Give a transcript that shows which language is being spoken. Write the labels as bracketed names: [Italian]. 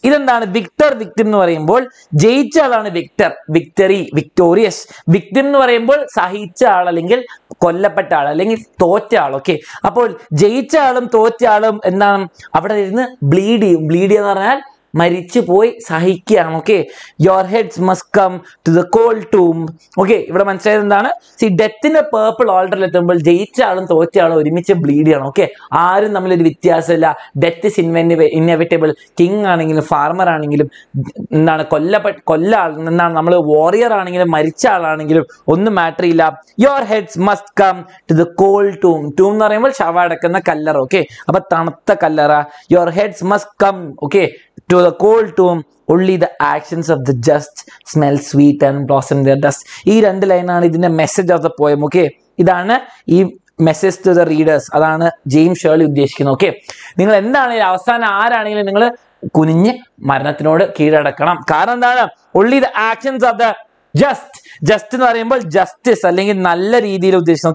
[Malayalam] ഇതെന്താണ് victor victim എന്ന് പറയുമ്പോൾ ജയിച്ച ആളാണ് victor, victory, victorious. Victim എന്ന് പറയുമ്പോൾ സഹിച്ച ആൾ അല്ലെങ്കിൽ കൊല്ലപ്പെട്ട ആൾ അല്ലെങ്കിൽ തോറ്റ ആൾ. ഓക്കെ, അപ്പോൾ ജയിച്ച ആളും തോറ്റ ആളും എന്താണ് അവിടെ ഇരുന്ന് ബ്ലീഡ് ചെയ്യും. ബ്ലീഡ് ചെയ്യുക എന്ന് പറഞ്ഞാൽ മരിച്ചു പോയി സഹിക്കുകയാണ്. [English] Okay, your heads must come to the cold tomb. [Malayalam] Okay, ഇവിടെ മനസ്സിലായത് എന്താണ്? സി ഡെത്തിന്റെ പേർപ്പിൾ ഓൾട്ടറിൽ എത്തുമ്പോൾ ജയിച്ച ആളും തോറ്റ ആളും ഒരുമിച്ച് ബ്ലീഡ് ചെയ്യണം. ഓക്കെ, ആരും തമ്മിൽ ഒരു വ്യത്യാസമില്ല. [English] Death is inevitable. [Malayalam] കിങ് ആണെങ്കിലും ഫാർമർ ആണെങ്കിലും എന്താണ് കൊല്ല ആൾ എന്നാണ് നമ്മൾ വാറിയർ ആണെങ്കിലും മരിച്ച ആളാണെങ്കിലും ഒന്നും മാറ്റർ ഇല്ല. [English] Your heads must come to the cold tomb. [Malayalam] ടൂം എന്ന് പറയുമ്പോൾ ശവ അടക്കുന്ന കല്ലർ. [English] okay, [Malayalam] അപ്പൊ തണുത്ത കല്ലറ. [English] Your heads must come okay to the cold tomb. Only the actions of the just smell sweet and blossom their dust. [Malayalam] ഈ രണ്ട് ലൈനാണ് ഇതിന്റെ message of the poem. Okay, ഇതാണ് ഈ [English] Message to the readers. [Malayalam] അതാണ് James Shirley ഉദ്ദേശിക്കുന്നത്. Okay, നിങ്ങൾ എന്താണെങ്കിലും അവസാനം ആരാണെങ്കിലും നിങ്ങൾ കുനിഞ്ഞ് മരണത്തിനോട് കീഴടക്കണം. കാരണം എന്താണ്? [English] Only the actions of the just. [Malayalam] Just എന്ന് പറയുമ്പോൾ ജസ്റ്റിസ് അല്ലെങ്കിൽ നല്ല രീതിയിൽ ഉദ്ദേശിക്കുന്നു.